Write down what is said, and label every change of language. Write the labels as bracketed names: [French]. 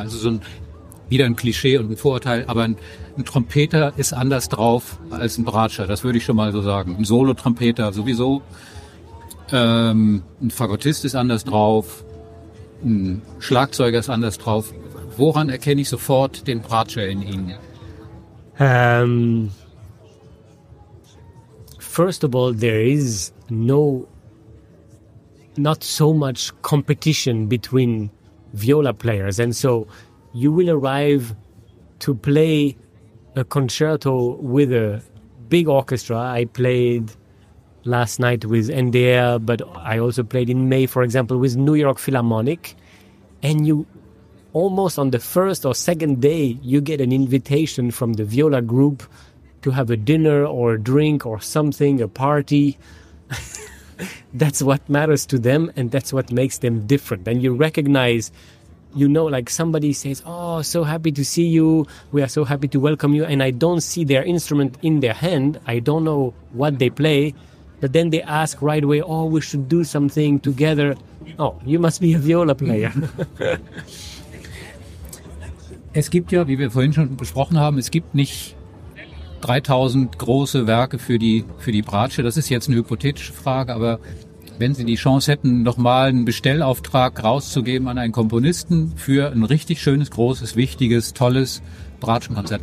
[German] Also so ein, wieder ein Klischee und ein Vorurteil, aber ein Trompeter ist anders drauf als ein Bratsche. Das würde ich schon mal so sagen. Ein Solo-Trompeter sowieso. Ein Fagottist ist anders drauf. Ein Schlagzeuger ist anders drauf. Woran erkenne ich sofort den Bratsche in Ihnen? [English] First of all, there is not so much competition between viola players. And so you will arrive to play a concerto with a big orchestra. I played last night with NDR, but I also played in May, for example, with New York Philharmonic. And you almost on the first or second day, you get an invitation from the viola group to have a dinner or a drink or something, a party. That's what matters to them, and that's what makes them different. And you recognize, you know, like somebody says, oh, so happy to see you. We are so happy to welcome you. And I don't see their instrument in their hand. I don't know what they play. But then they ask right away, oh, we should do something together. Oh, you must be a viola player. [German] Es gibt ja, wie wir vorhin schon besprochen haben, es gibt nicht 3000 große Werke für die Bratsche. Das ist jetzt eine hypothetische Frage, aber wenn Sie die Chance hätten, nochmal einen Bestellauftrag rauszugeben an einen Komponisten für ein richtig schönes, großes, wichtiges, tolles Bratschenkonzert.